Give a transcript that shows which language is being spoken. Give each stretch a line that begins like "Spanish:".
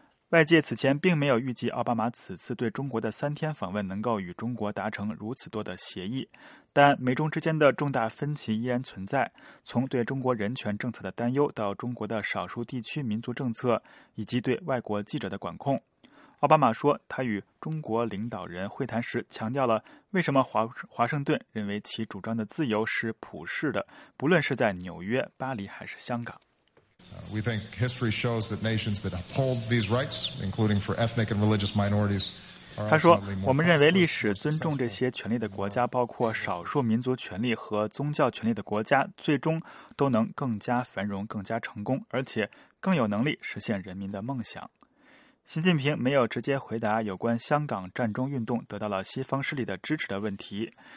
Chinese: 外界此前并没有预计奥巴马此次对中国的3天访问能够与中国达成如此多的协议，但美中之间的重大分歧依然存在，从对中国人权政策的担忧到中国的少数地区民族政策以及对外国记者的管控。奥巴马说，他与中国领导人会谈时强调了为什么华盛顿认为其主张的自由是普世的，不论是在纽约、巴黎还是香港。
English: We think history shows that nations that uphold these rights, including for ethnic and religious minorities, are ultimately more.
Chinese: 他说，我们认为历史尊重这些权利的国家，包括少数民族权利和宗教权利的国家，最终都能更加繁荣、更加成功，而且更有能力实现人民的梦想。习近平没有直接回答有关香港战中运动得到了西方势力的支持的问题。